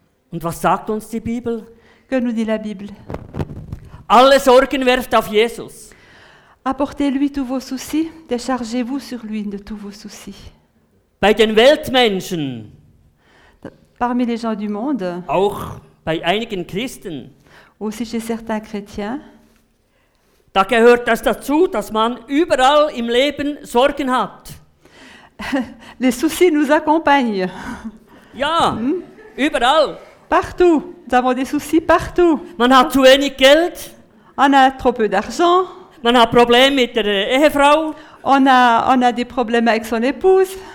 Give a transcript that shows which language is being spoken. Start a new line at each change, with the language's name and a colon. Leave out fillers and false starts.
German: Und was sagt uns die Bibel?
French: Que nous dit la Bible?
German: Alle Sorgen werft auf Jesus.
French: Apportez-lui tous vos soucis, déchargez-vous sur lui de tous vos soucis.
German: Bei den Weltmenschen.
French: Parmi les gens du monde.
German: Auch bei einigen Christen.
French: Aussi chez certains chrétiens.
German: Da gehört das dazu, dass man überall im Leben Sorgen hat.
French: Les soucis nous accompagnent.
German: Ja, überall.
French: Partout. Nous avons des soucis partout.
German: Man hat zu wenig Geld.
French: On a trop peu d'argent.
German: Man a Problem mit der Ehefrau.
French: On a des problèmes avec son épouse.